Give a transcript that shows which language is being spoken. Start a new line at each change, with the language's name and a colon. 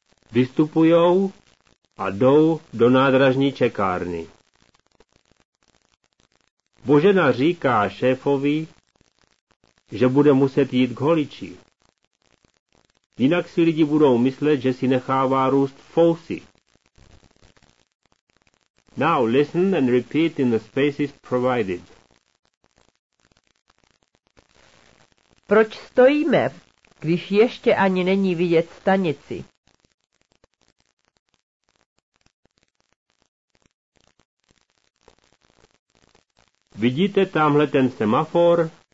Czech: Vystupujou a jdou do nádražní čekárny. Božena říká šéfovi, že bude muset jít k holiči. Jinak si lidi budou myslet, že si nechává růst fousy.
English: Now listen and repeat in the spaces provided.
Czech: Proč stojíme, když ještě ani není vidět stanici? Vidíte tamhle ten semafor?